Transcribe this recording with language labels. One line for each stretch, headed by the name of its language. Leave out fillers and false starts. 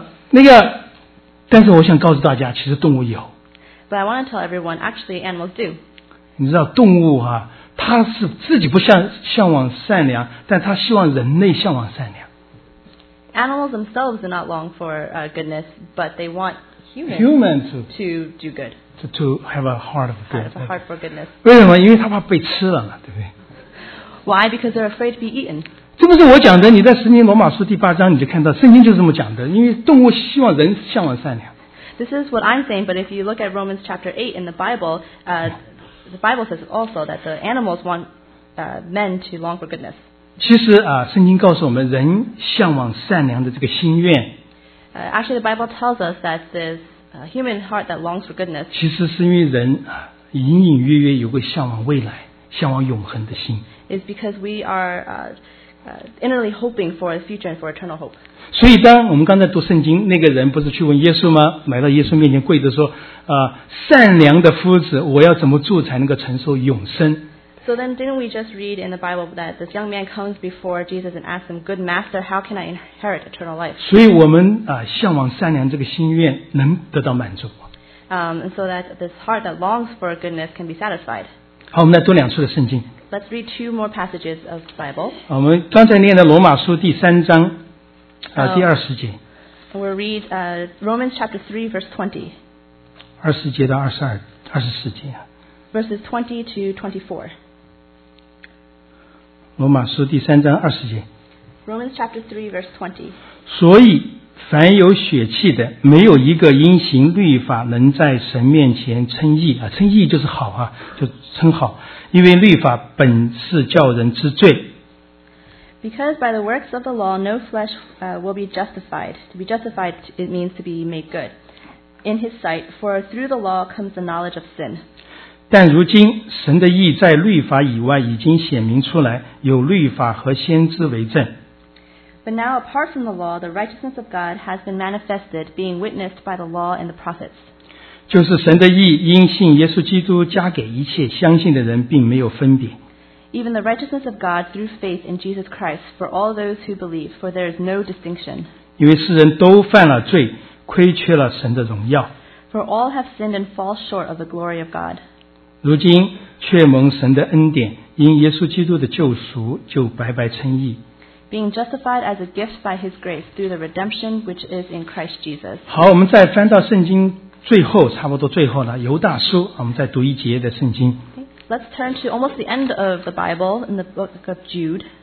Chinese: 那个，但是我想告诉大家，其实动物有。
English: But I want to tell everyone, actually, animals do.
Chinese: 你知道动物啊，它是自己不向往善良，但它希望人类向往善良。
English: Animals themselves do not long for goodness, but they want humans to do good. To have a heart of goodness. A heart for goodness.
Chinese: 为什么？因为他怕被吃了嘛，对不对
English: ？Why? Because they're afraid to be eaten.
Chinese: 这不是我讲的，你在《圣经·罗马书》第八章你就看到，圣经就是这么讲的。因为动物希望人向往善良。
English: This is what I'm saying, but if you look at Romans chapter 8 in the Bible, the Bible says also that the animals want men to long for goodness.
Chinese: 其实啊，圣经告诉我们，人向往善良的这个心愿。
English: Actually, the Bible tells us that this human heart that longs for goodness.
Chinese: 其实是因为人啊，隐隐约约有个向往未来、向往永恒的心。
English: It's because we are innerly hoping for a future and for eternal hope.
Chinese: 所以，当我们刚才读圣经，那个人不是去问耶稣吗？来到耶稣面前跪着说：“善良的夫子，我要怎么做才能够承受永生？”
English: So then didn't we just read in the Bible that this young man comes before Jesus and asks him, Good master, how can I inherit eternal life?
Chinese: 所以我们, 向往善良这个心愿能得到满足。
English: So that this heart that longs for goodness can be satisfied.
Chinese: 好，我们再读两处的圣经。
English: Let's read two more passages of the Bible.
Chinese: 我们刚才念的罗马书第三章第二十节。
English: We'll read Romans chapter 3, verse 20.
Chinese: 二十节到二十二十四节。
English: Verses 20 to 24.
Chinese: 罗马书第三章二十节。
English: Romans chapter 3, verse 20.
Chinese: 所以凡有血气的，没有一个因行律法能在神面前称义啊，称义就是好啊，就称好，因为律法本是叫人知罪。
English: Because by the works of the law, no flesh will be justified. To be justified, it means to be made good in his sight. For through the law comes the knowledge of sin.
Chinese: 但如今神的义在律法以外已经显明出来，有律法和先知为证。
English: But now, apart from the law, the righteousness of God has been manifested, being witnessed by the law and the prophets.
Chinese: 就是神的义因信耶稣基督加给一切相信的人，并没有分别。
English: Even the righteousness of God through faith in Jesus Christ for all those who believe, for there is no distinction.
Chinese: 因为世人都犯了罪，亏缺了神的荣耀。
English: For all have sinned and fall short of the glory of God.
Chinese: 如今却蒙神的恩典，因耶稣基督的救赎，就白白称义。
English: Being justified as a gift by his grace through the redemption which is in Christ Jesus.
Chinese: 好，我们再翻到圣经最后，差不多最后了，犹大书，我们再读一节的圣经。
English: Okay. Let's turn to almost the end of the Bible in the book of Jude.